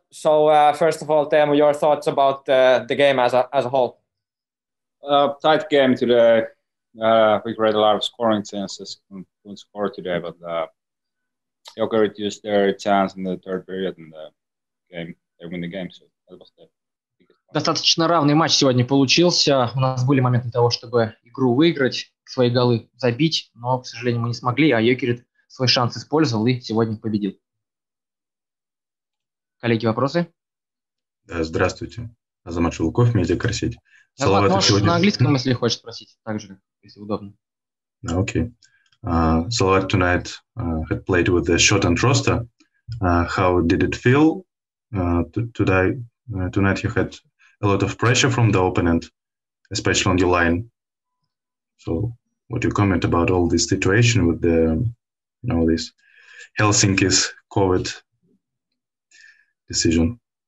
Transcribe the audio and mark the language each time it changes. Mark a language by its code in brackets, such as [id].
[en] So first of all, Teemu, your thoughts about the game as a whole? Tight game today. We created a lot of scoring chances. Couldn't score today, but Joker reduced their chance in the third period and they win the game. So that was there. [ru] Достаточно равный матч сегодня получился. У нас были моменты того, чтобы игру выиграть, свои голы забить, но, к сожалению, мы не смогли, а Йокерит свой шанс использовал и сегодня победил. Коллеги, вопросы? Да, здравствуйте. Азамат Шелуков, медиакарсеть. Салават, можешь сегодня... на английском, если хочешь спросить, так же, если удобно. Окей. Okay. [en] Салават tonight had played with the shortened roster. How did it feel today? Tonight you had a lot of pressure from the opponent, especially on your line. So, what do you comment about all this situation with the, you know, this Helsinki's COVID decision?